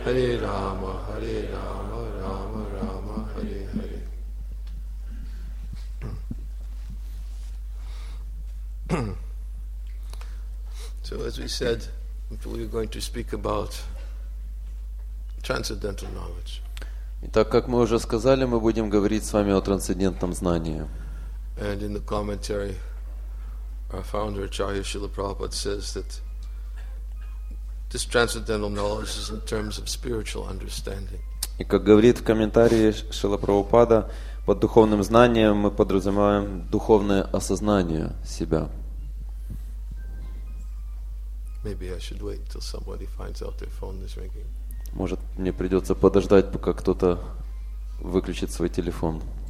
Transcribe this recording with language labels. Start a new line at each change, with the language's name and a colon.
Sanskrit: Hare Rama, Hare Rama, Rama Rama, Hare Hare.
English: So as we said, we are going to speak about transcendental knowledge.
Russian: Итак, как мы уже сказали, мы будем говорить с вами о трансцендентном знании.
English: And in the commentary, our founder Acharya Srila Prabhupada says that this transcendental knowledge is in terms of spiritual understanding.
Russian: И как говорит в комментарии Шрила Прабхупада, под духовным знанием мы подразумеваем духовное осознание себя.
English: Maybe I should wait until somebody finds out their phone is ringing.
Russian: Может, мне придется подождать, пока кто-то выключит свой телефон.